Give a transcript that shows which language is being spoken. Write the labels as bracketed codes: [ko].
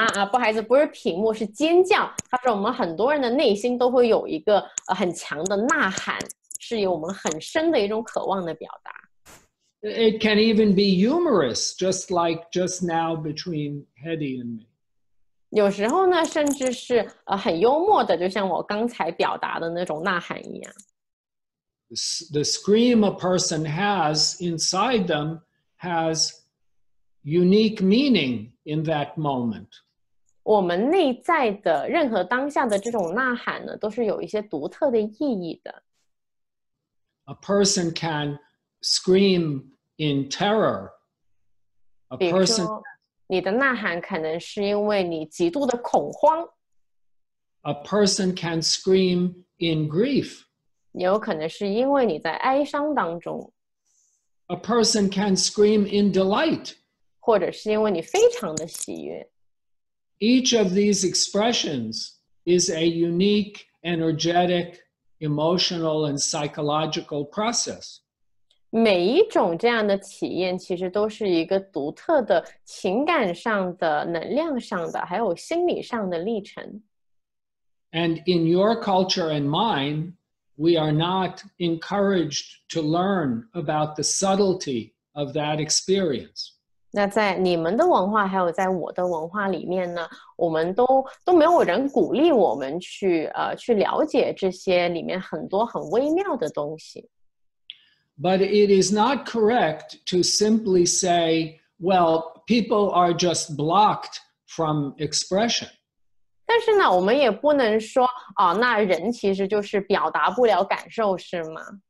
[zh] 不好意思，不是屏幕，是尖叫。他说我们很多人的内心都会有一个很强的呐喊，是有我们很深的一种渴望的表达。 [en] It can even be humorous, just like just now between Hedy and me. [zh] 有时候呢，甚至是很幽默的，就像我刚才表达的那种呐喊一样。 [en] The scream a person has inside them has unique meaning in that moment. [zh] 我们内在的任何当下的这种呐喊呢，都是有一些独特的意义的。 [en] A person can scream in terror. A person, [zh] 比如说，你的呐喊可能是因为你极度的恐慌。 [en] A person can scream in grief. [zh] 有可能是因为你在哀伤当中。 [en] A person can scream in delight. [zh] 或者是因为你非常的喜悦。 [en] Each of these expressions is a unique, energetic, emotional, and psychological process. [zh] 每一种这样的体验其实都是一个独特的情感上的、能量上的、还有心理上的历程。 [en] And in your culture and mine, we are not encouraged to learn about the subtlety of that experience. [zh] 那在你们的文化还有在我的文化里面呢，我们都没有人鼓励我们去了解这些里面很多很微妙的东西。 [en] But it is not correct to simply say, well, people are just blocked from expression. [zh] 但是呢，我们也不能说啊，那人其实就是表达不了感受，是吗？